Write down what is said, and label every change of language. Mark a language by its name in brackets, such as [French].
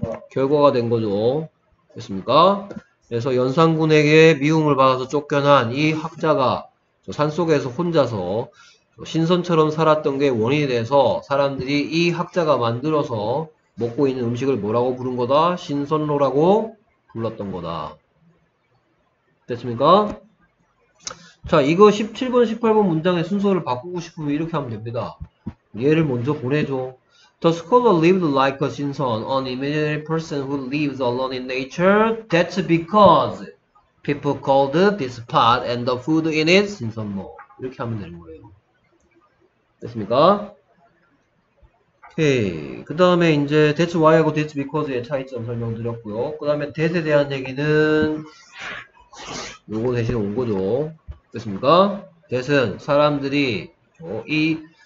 [Korean] 결과가 된 거죠. 됐습니까? 그래서 연산군에게 미움을 받아서 쫓겨난 이 학자가 산속에서 혼자서 신선처럼 살았던 게 원인이 돼서 사람들이 이 학자가 만들어서 먹고 있는 음식을 뭐라고 부른 거다? 신선로라고 불렀던 거다. 됐습니까? 자, 이거 17번, 18번 문장의 순서를 바꾸고 싶으면 이렇게 하면 됩니다. 얘를 먼저 보내줘. [English] The scholar lived like a Shinson, an imaginary person who lives alone in nature. That's because people called this pot and the food in it Shinsonmo. [Korean] 이렇게 하면 되는 거예요. 됐습니까? 오케이. 그 다음에 이제 that's why하고 that's because의 차이점 설명드렸고요. 그 다음에 that에 대한 얘기는 요거 대신 온 거죠. 됐습니까? 대신 사람들이 이